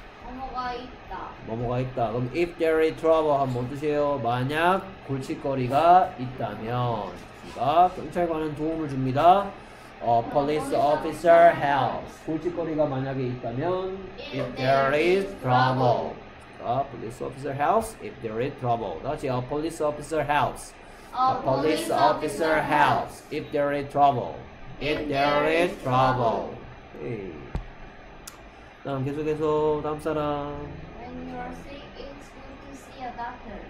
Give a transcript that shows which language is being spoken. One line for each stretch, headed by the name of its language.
Korean: 뭐뭐가 있다. 뭐뭐가 있다. 그럼
English: if there is trouble
Korean: 하면 뭔 뜻이에요? 만약 골칫거리가 있다면. 그러니까 경찰관은 도움을 줍니다.
English: A police officer helps.
Korean: 골칫거리가 만약에 있다면
English: if there is trouble. A police officer helps if there is trouble.
Korean: 다시
English: a police officer helps. A police officer helps if there is trouble. If there is trouble.
Korean: 다음 계속해서 다음 사람.
English: When you are sick, it's good to see a doctor.